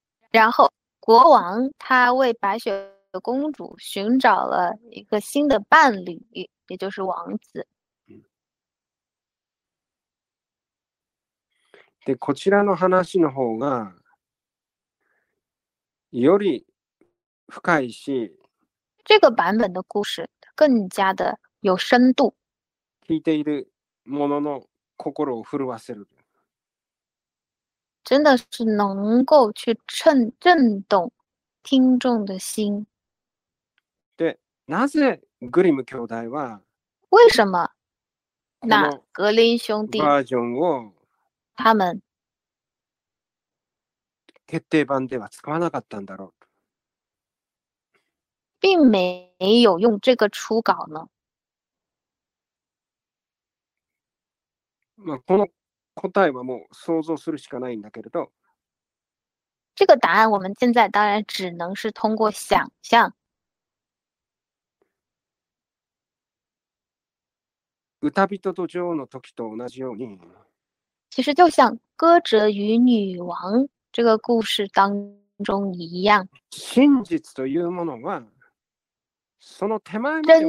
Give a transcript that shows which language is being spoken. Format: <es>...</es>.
<zh>然后国王他为白雪公主寻找了一个新的伴侣，也就是王子。</zh> <ja>で、こちらの話の方がより深いし、</ja> <zh>这个版本的故事更加的有深度。</zh> <ja>聞いている者の心を震わせる。</ja> <zh>真的是能够去震动听众的心。</zh> <ja>なぜグリム兄弟は、</ja> <zh>为什么那格林兄弟</zh> <ja>バージョンを</ja> <zh>他们</zh> <ja>決定版では使わなかったんだろう。</ja> <zh>并没有用这个初稿呢？</zh> <ja>まあ、この答えはもう想像するしかないんだけれど。</ja> <zh>这个答案我们现在当然只能是通过想象。</zh> <ja>歌人と女王の時と同じように。</ja> <zh>其实就像歌者与女王这个故事当中一样。</zh> <ja>真実というものは、その手前まではいける</ja>